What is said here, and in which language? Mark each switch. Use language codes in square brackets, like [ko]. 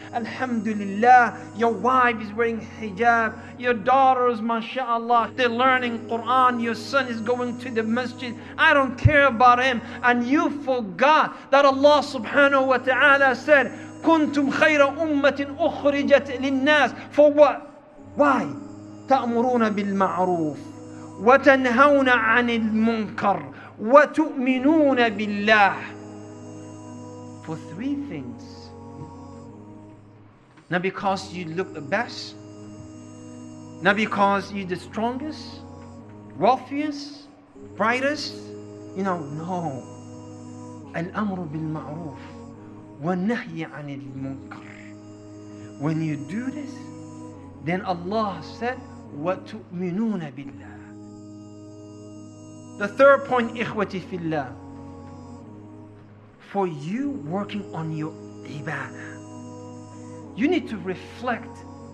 [en] Alhamdulillah, your wife is wearing hijab. Your daughters, mashallah, they're learning Quran. Your son is going to the masjid. I don't care about him. And you forgot that Allah subhanahu wa ta'ala said, [ar] كنتم خير أمة أخرجت للناس. [en] For what? Why? [ar] تأمرون بالمعروف وتنهون عن المنكر وتؤمنون بالله. [en] For three things. Not because you look the best, not because you're the strongest, wealthiest, brightest, you know, no. [ar] الأمر بالمعروف والنهي عن المنكر. [en] When you do this, then Allah said, [ar] وَتُؤْمِنُونَ بِاللَّهِ. [en] The third point, [ar] إِخْوَةِ فِي اللَّهِ. [en] For you working on your ibadah, you need to reflect.